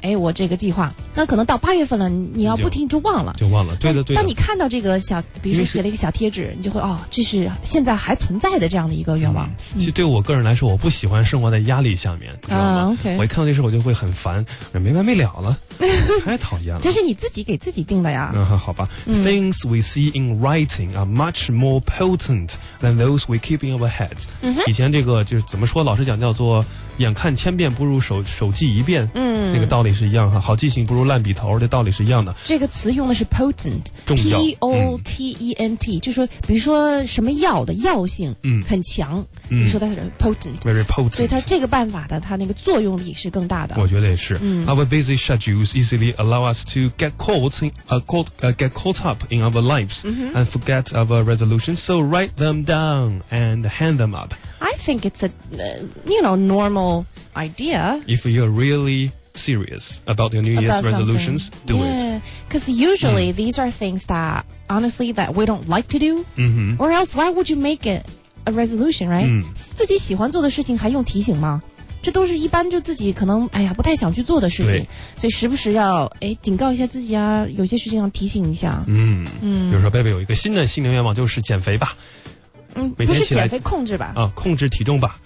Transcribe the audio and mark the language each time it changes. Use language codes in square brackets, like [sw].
[zh] 哎我这个计划，那可能到八月份了你要不听就忘了就忘了对的对的，当你看到这个小比如说写了一个小贴纸你就会哦这是现在还存在的这样的一个愿望、嗯、其实对我个人来说我不喜欢生活在压力下面啊、 okay、我一看到这事我就会很烦没完没了了太讨厌了这是你自己给自己定的呀、 [en] 嗯、 [zh] 好吧、 [en] 嗯、Things we see in writing are much more potent than those we keep in our heads、嗯 [zh] 以前这个就是怎么说老师讲叫做眼看千遍不如手记一遍嗯那个道理是一样哈好记性不如烂笔头这道理是一样的这个词用的是 potent 重要 P-O-T-E-N-T、嗯、就是说比如说什么药的药性嗯很强嗯你说它是 potent [en] very potent [zh] 所以它这个办法的它那个作用力是更大的我觉得也是、嗯、 [en] Our busy schedules easily allow us to get caught in,、get caught up in our lives、嗯、 and forget our resolutions so write them down and hand them up I think it's a, you know, normal idea. If you're really serious about your New Year's about resolutions,、 something. do yeah. it. Because usually、mm. these are things that, honestly, that we don't like to do.、 Mm-hmm. Or else, why would you make it a resolution, right?、 Mm. [zh] 自己喜欢做的事情还用提醒吗？这都是一般就自己可能哎呀不太想去做的事情，所以时不时要哎警告一下自己啊，有些事情要提醒一下。嗯嗯，比如说贝贝有一个新的新年愿望就是减肥吧。嗯，不是减肥控制吧？啊，控制体重吧。